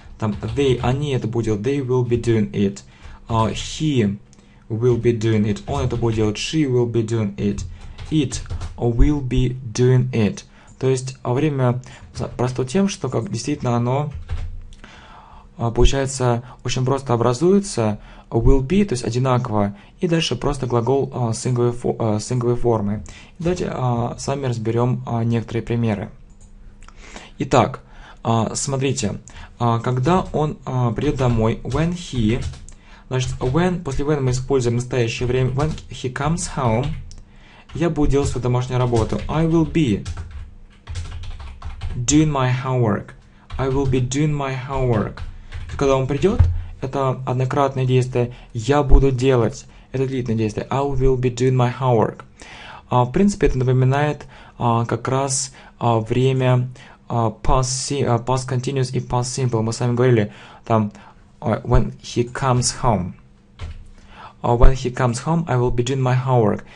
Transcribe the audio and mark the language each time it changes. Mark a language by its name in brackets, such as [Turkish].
[Russian] Там [English] they, [Russian] они это будут делать, [English] they will be doing it, he will be doing it, [Russian] он это будет делать, [English] she will be doing it, it will be doing it. [Russian] То есть время просто тем, что как действительно оно получается очень просто образуется, [English] will be, [Russian] то есть одинаково, и дальше просто глагол сингловой формы. Давайте сами разберем некоторые примеры. Итак, смотрите, когда он придет домой, [English] when he, [Russian] значит, when, после when мы используем настоящее время, [English] when he comes home, [Russian] я буду делать свою домашнюю работу. [English] I will be doing my homework. I will be doing my homework. [Russian] Когда он придет, это однократное действие, я буду делать. Это длительное действие. [English] I will be doing my homework. [Russian] В принципе, это напоминает как раз время past continuous и past simple. Мы с вами говорили там [English] when he comes home. When he comes home, I will be doing my homework.